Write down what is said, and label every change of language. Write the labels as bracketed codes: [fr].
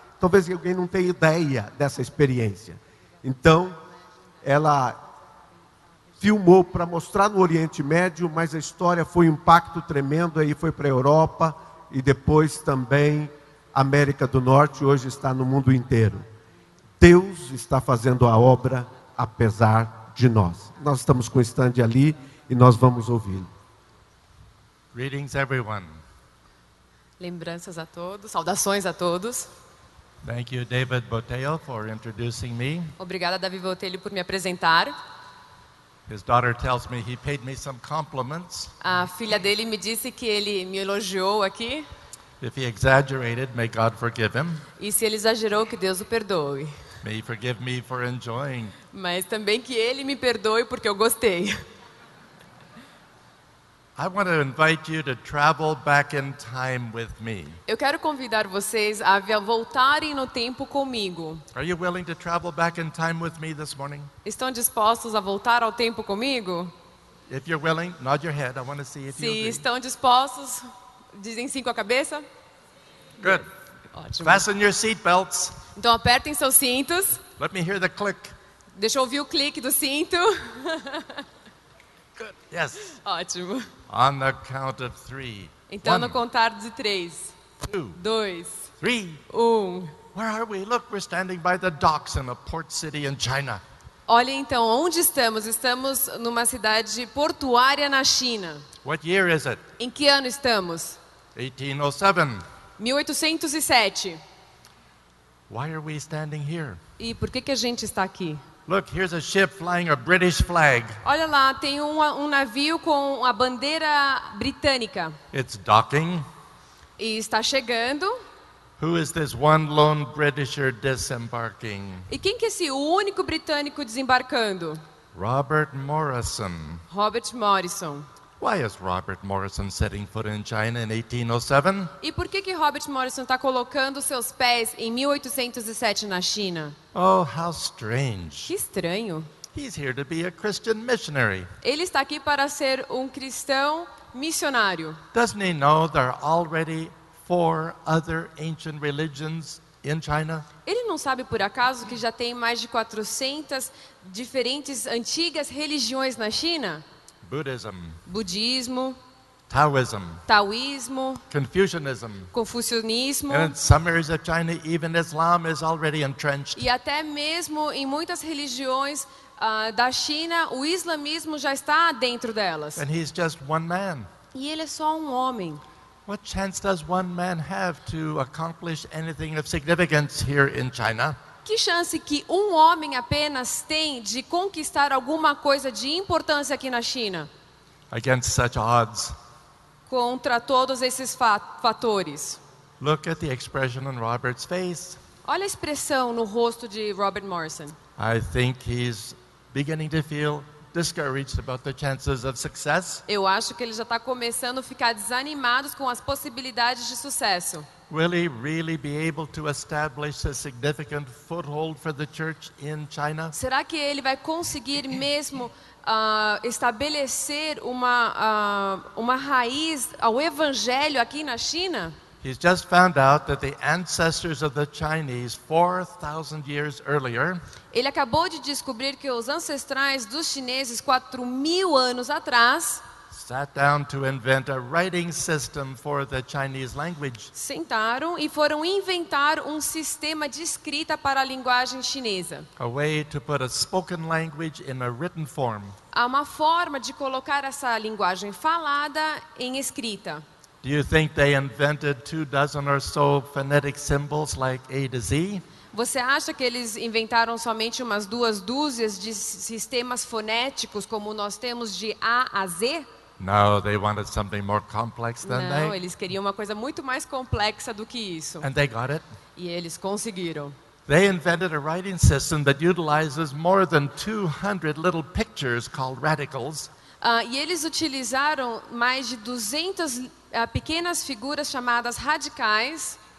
[pt] Talvez alguém não tenha ideia dessa experiência. Então, ela filmou para mostrar no Oriente Médio, mas a história foi um impacto tremendo, aí foi para a Europa e depois também América do Norte, hoje está no mundo inteiro. Deus está fazendo a obra apesar de nós. Nós estamos com o stand ali e nós vamos ouvi-lo. [en] Greetings everyone. [pt] Lembranças a todos, saudações a todos. [en] Thank you, David Botelho, for introducing me. [pt] Obrigada, David Botelho, por me apresentar. [en] His daughter tells me he paid me some compliments. [pt] A filha dele me disse que ele me elogiou aqui. [en] If he exaggerated, may God forgive him. [pt] E se ele exagerou, que Deus o perdoe. [en] May he forgive me for enjoying. [pt] Mas também que ele me perdoe porque eu gostei. [en] I want to invite you to travel back in time with me. [pt] Eu quero convidar vocês a voltarem no tempo comigo. [en] Are you willing to travel back in time with me this morning? [pt] Estão dispostos a voltar ao tempo comigo? [en] If you're willing, nod your head. I want to see if [pt] Se [en] you agree. [pt] Estão dispostos, dizem sim com a cabeça. [en] Good. [pt] Ótimo. [en] Fasten your seat belts. [pt] Então apertem seus cintos. [en] Let me hear the click. [pt] Deixa eu ouvir o clique do cinto. [en] Good. Yes. [pt] Ótimo. [en] On the count of three. [pt] Então, no contar de três. [en] Two. [pt] Dois. [en] Three. [pt] Um. [en] Where are we? Look, we're standing by the docks in a port city in China. [pt] Olha então, onde estamos? Estamos numa cidade portuária na China. [en] What year is it? [pt] Em que ano estamos? [en] 1807. [pt] 1807. [en] Why are we standing here? [pt] E por que que a gente está aqui? [en] Look, here's a ship flying a British flag. [pt] Olha lá, tem um navio com a bandeira britânica. [en] It's docking. [pt] E está chegando. [en] Who is this one lone Britisher disembarking? [pt] E quem que é esse único britânico desembarcando? [en] Robert Morrison. [pt] Robert Morrison. [en] Why is Robert Morrison setting foot in China in 1807? [pt] E por que que Robert Morrison está colocando seus pés em 1807 na China? [en] Oh, how strange. [pt] Que estranho. [en] He's here to be a Christian missionary. [pt] Ele está aqui para ser cristão missionário. [en] Doesn't he know there are already four other ancient religions in China? [pt] Ele não sabe por acaso que já tem mais de 400 diferentes antigas religiões na China? [en] Buddhism. [pt] Budismo. [en] Taoism. [pt] Taoísmo. [en] Confucianism. [pt] Confucionismo. [en] And in some areas of China, even Islam is already entrenched. [pt] E até mesmo em muitas religiões da China, o islamismo já está dentro delas. [en] And he's just one man. [pt] E ele é só um homem. [en] What chance does one man have to accomplish anything of significance here in China? [pt] Que chance que homem apenas tem de conquistar alguma coisa de importância aqui na China? [en] Against such odds. [pt] Contra todos esses fatores. [en] Look at the expression on Robert's face. [pt] Olha a expressão no rosto de Robert Morrison. [en] I think he's beginning to feel discouraged about the chances of success. [pt] Eu acho que ele já está começando a ficar desanimado com as possibilidades de sucesso. [en] really, really be able to establish a significant foothold for the church in China? [pt] Será que ele vai conseguir mesmo estabelecer uma raiz ao evangelho aqui na China? [en] He's just found out that the ancestors of the Chinese 4,000 years earlier. [pt] Ele acabou de descobrir que os ancestrais dos chineses 4,000 anos atrás [en] sat down to invent a writing system for the Chinese language. [pt] Sentaram e foram inventar um sistema de escrita para a linguagem chinesa. [en] A way to put a spoken language in a written form. [pt] Há uma forma de colocar essa linguagem falada em escrita. [en] Do you think they invented 2 dozen or so phonetic symbols like A to Z? [pt] Você acha que eles inventaram somente umas duas dúzias de sistemas fonéticos como nós temos de A a Z? [en] No, they wanted something more complex than [pt] Não, [en] they. [pt] Não, eles queriam uma coisa muito mais complexa do que isso. [en] And they got it. [pt] E eles conseguiram. [en] They invented a writing system that utilizes more than 200 little pictures called radicals. [pt] E eles utilizaram mais de 200 pequenas figuras chamadas radicais.